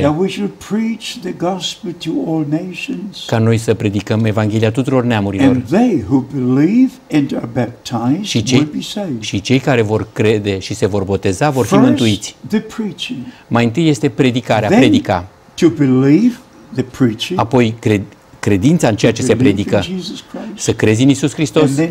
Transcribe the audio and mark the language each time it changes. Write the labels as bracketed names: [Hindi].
[English] That we should preach the gospel to all nations. [Romanian] Ca noi să predicăm evanghelia tuturor neamurilor. [English] And they who believe and are baptized will be saved. [Romanian] Și cei care vor crede și se vor boteza vor fi mântuiți. [English] The preaching. [Romanian] Mai întâi este predicarea, predica. [English] To believe the preaching. [Romanian] Apoi credința în ceea ce se predică, să crezi în Iisus Hristos